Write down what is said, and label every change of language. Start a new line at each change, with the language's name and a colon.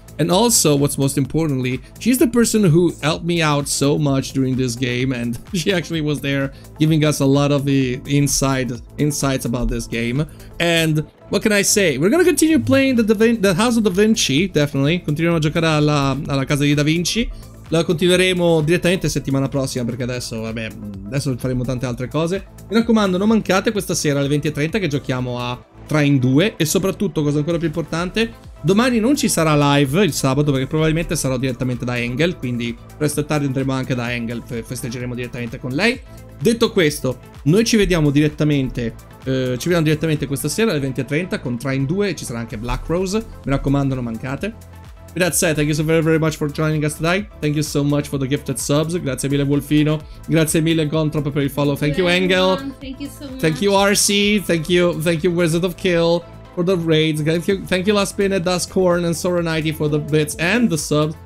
English: And also, what's most importantly, she's the person who helped me out so much during this game, and she actually was there giving us a lot of the insights about this game. And what can I say? We're gonna continue playing the House of Da Vinci, definitely.
Italian: Continueremo a giocare alla casa di Da Vinci. La continueremo direttamente settimana prossima, perché adesso, vabbè, adesso faremo tante altre cose. Mi raccomando, non mancate questa sera alle 20:30 che giochiamo a Tra in Due. E soprattutto, cosa ancora più importante, domani non ci sarà live il sabato, perché probabilmente sarò direttamente da Engel. Quindi presto e tardi andremo anche da Engel, festeggeremo direttamente con lei. Detto questo, noi ci vediamo direttamente. Ci vediamo direttamente questa sera alle 20:30 con Tra in Due. Ci sarà anche Black Rose. Mi raccomando, non mancate.
English: With that said, thank you so very very much for joining us today. Thank you so much for the gifted subs.
Italian: Grazie mille Wolfino. Grazie mille Gontrop per il follow.
English: Thank you, Engel. Thank you so much. Thank you, RC. Thank you, Wizard of Kill, for the raids. Thank you, Last Spin at Duskhorn and Sora 90 for the bits and the subs.